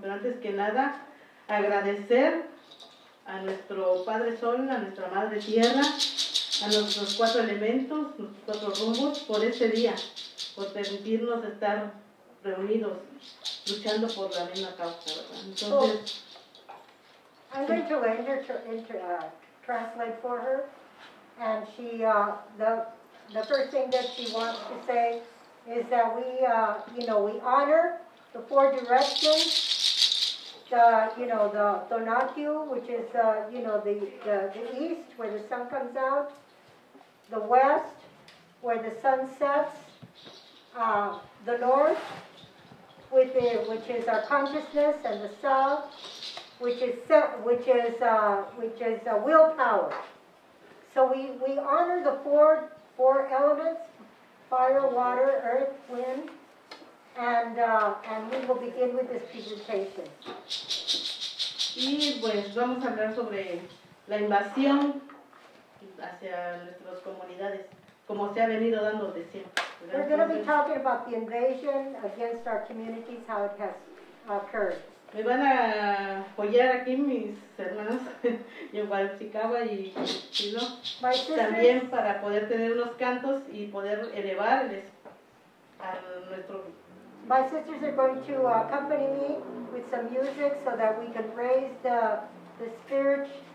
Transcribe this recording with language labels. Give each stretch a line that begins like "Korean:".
Spanish: Pero antes que nada, agradecer a nuestro Padre Sol, a nuestra Madre Tierra, a nuestros cuatro elementos, nuestros cuatro rumbos, por este día, por permitirnos estar reunidos, luchando por la misma causa, ¿verdad? Entonces,
English: oh, I'm going to translate for her, and she, the first thing that she wants to say is that we, you know, we honor the four directions, the Tonatiuh, which is, the east, where the sun comes out, the west, where the sun sets, the north, which is our consciousness, and the south, which is willpower. So we honor the four elements: fire, water, earth, wind, and we will begin with this presentation.
Spanish: Y pues vamos a hablar sobre la invasión hacia nuestras comunidades, como se ha venido dando de siempre.
English: We're going to be talking about the invasion against our communities, how it has occurred.
Spanish: Me van a apoyar aquí mis hermanos en Guadalajara y Chilo, también para poder tener unos cantos y poder elevarles a nuestro.
English: My sisters are going to accompany me with some music so that we can raise the spirit.